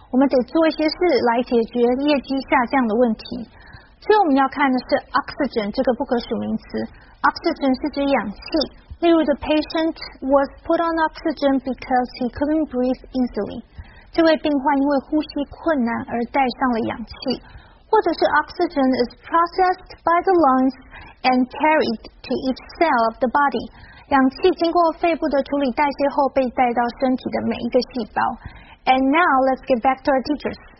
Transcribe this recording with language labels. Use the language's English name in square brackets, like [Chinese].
[Chinese] 我们得做一些事来解决业绩下降的问题。所以我们要看的是 oxygen 这个不可数名词。oxygen 是指氧气。例如 [English] ,the patient was put on oxygen because he couldn't breathe easily. [Chinese] 这位病患因为呼吸困难而戴上了氧气。或者是 [English] oxygen is processed by the lungs and carried to each cell of the body. [Chinese] 氧气经过肺部的处理代谢后被带到身体的每一个细胞。 [English] And now, let's get back to our teachers.